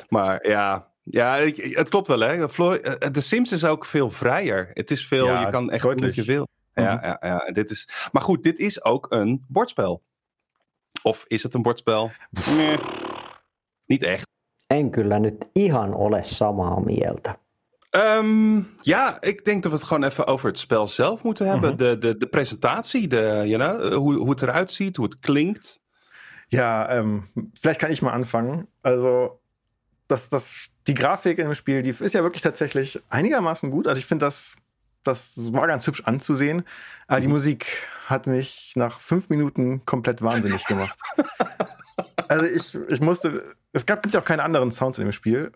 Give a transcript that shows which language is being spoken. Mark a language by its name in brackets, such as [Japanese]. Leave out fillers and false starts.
[Dutch] Maar ja, ja, het klopt wel, hè. De Sims is ook veel vrijer. Het is veel, ja, je kan echt doen wat je wil. Ja, ja, ja. Dit is, maar goed, dit is ook een bordspel. Of is het een bordspel? Nee. Niet echt. [Finnish] En kyllä nyt ihan ole samaa mieltä. [Dutch] Ja, ik denk dat we het gewoon even over het spel zelf moeten hebben. Uh-huh. De presentatie, [English] you know, [Dutch] hoe het eruit ziet, hoe het klinkt. [German] Ja, vielleicht kann ich mal anfangen. Also, die Grafik in dem Spiel, die ist ja wirklich tatsächlich einigermaßen gut. Also ich finde, das war ganz hübsch anzusehen. Aber die Musik hat mich nach 5 Minuten komplett wahnsinnig gemacht. Also ich musste... Gibt ja auch keine anderen Sounds in dem Spiel.